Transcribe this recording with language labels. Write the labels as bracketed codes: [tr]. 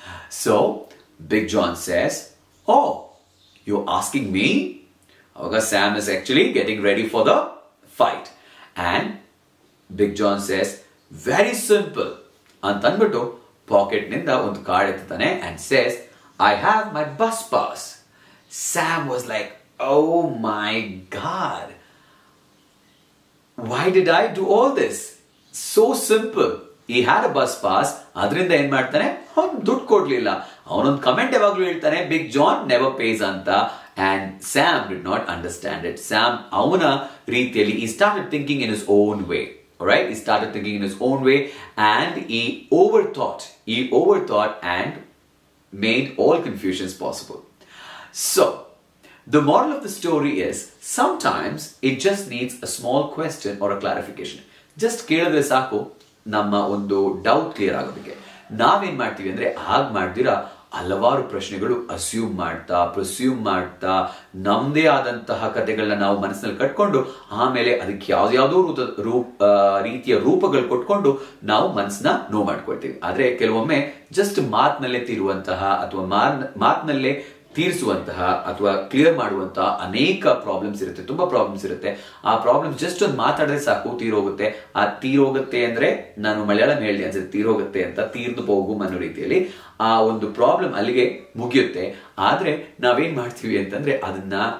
[en] So, Big John says, oh, you're asking me? Okay, Sam is actually getting ready for the fight. And Big John says, very simple. [kn] ಅಂತಂದ್ಬಿಟ್ಟು packet ನಿಂದ ಒಂದು card ಎತ್ತಾನೆ [en] and says I have my bus pass Sam was like oh my God why did I do all this so simple he had a bus pass [kn] ಅದರಿಂದ ಏನ್ ಮಾಡ್ತಾನೆ ಅವನ್ ದುಡ್ಡು ಕೊಡ್ಲಿಲ್ಲ ಅವನೊಂದು ಕಮೆಂಟ್ ಯಾವಾಗ್ಲೂ ಹೇಳ್ತಾನೆ [en] big John never pays [kn] ಅಂತ [en] and Sam did not understand it Sam [kn] ಅವನ ರೀತಿಯಲ್ಲಿ [en] He started thinking in his own way Right? He started thinking in his own way and he overthought and made all confusions possible. So, the moral of the story is, sometimes it just needs a small question or a clarification. [kn] Just kelidre saaku namma ondu doubt clear aagodike. Naave en maartivi andre aag maartira ಹಲವಾರು ಪ್ರಶ್ನೆಗಳು assume ಮಾಡ್ತಾ ಪ್ರಸ್ಯೂಮ್ ಮಾಡ್ತಾ ನಮ್ಮದೇ ಆದಂತಹ ಕಥೆಗಳನ್ನ ನಾವು ಮನಸ್ಸಿನಲ್ಲಿ ಕಟ್ಕೊಂಡು ಆಮೇಲೆ ಅದಕ್ಕೆ ಯಾವ್ದಾವುದೋ ರೀತಿಯ ರೂಪಗಳು ಕೊಟ್ಕೊಂಡು ನಾವು ಮನಸ್ಸನ್ನ ನೋವು ಮಾಡ್ಕೊಳ್ತೀವಿ ಆದರೆ ಕೆಲವೊಮ್ಮೆ ಜಸ್ಟ್ ಮಾತಿನಲ್ಲೇ ತೀರುವಂತಹ ಅಥವಾ ಮಾತಿನಲ್ಲೇ ತೀರಿಸುವಂತಹ ಅಥವಾ ಕ್ಲಿಯರ್ ಮಾಡುವಂತಹ ಅನೇಕ ಪ್ರಾಬ್ಲಮ್ಸ್ ಇರುತ್ತೆ ತುಂಬಾ ಪ್ರಾಬ್ಲಮ್ಸ್ ಇರುತ್ತೆ ಆ ಪ್ರಾಬ್ಲಮ್ಸ್ ಜಸ್ಟ್ ಒಂದು ಮಾತಾಡಿದ್ರೆ ಸಾಕು ತೀರೋಗುತ್ತೆ ಆ ತೀರೋಗುತ್ತೆ ಅಂದ್ರೆ ನಾನು ಮಲಯಾಳಂ ಹೇಳಿ ಅಂದ್ರೆ ತೀರೋಗುತ್ತೆ ಅಂತ [ml] ತೀರ್ದು ಹೋಗುಮ್ [kn] ಅನ್ನೋ ರೀತಿಯಲ್ಲಿ ಆ ಒಂದು ಪ್ರಾಬ್ಲಮ್ ಅಲ್ಲಿಗೆ ಮುಗಿಯುತ್ತೆ ಆದ್ರೆ ನಾವೇನ್ ಮಾಡ್ತೀವಿ ಅಂತಂದ್ರೆ ಅದನ್ನ